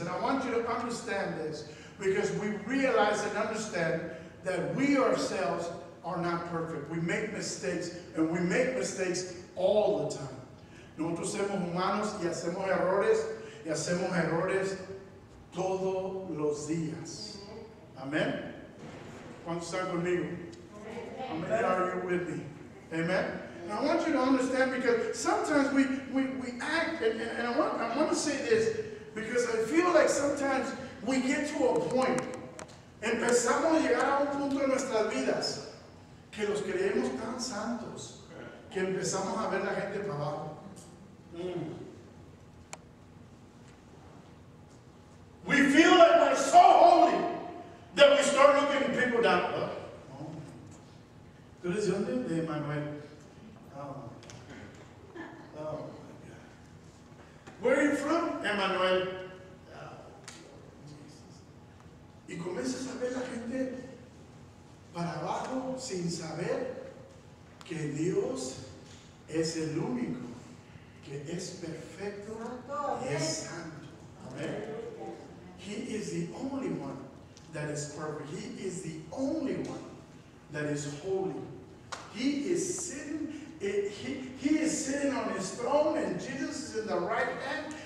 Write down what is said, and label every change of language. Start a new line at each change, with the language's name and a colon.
English: And I want you to understand this because we realize and understand that we ourselves are not perfect. We make mistakes, and we make mistakes all the time.
Spanish: Nosotros somos humanos y hacemos errores todos los días.
English: Amen.
Spanish: ¿Cuántos están conmigo?
English: How many are you with me? Amen. And I want you to understand because sometimes we act, and I want to say this because I feel like sometimes we get to a point.
Spanish: Empezamos a llegar a un punto en nuestras vidas que los creemos tan santos que empezamos a ver la gente para abajo.
English: We feel like we're so holy that we start looking people down.
Spanish: ¿Tú eres donde? De Manuel.
English: Oh my God. Where are you from, Emmanuel? Jesus.
Spanish: Y comienzas a ver la gente para abajo sin saber que Dios es el único que es perfecto y es santo. Amen.
English: He is the only one that is perfect. He is the only one that is holy. He is sin. He is sitting on his throne and Jesus is in the right hand.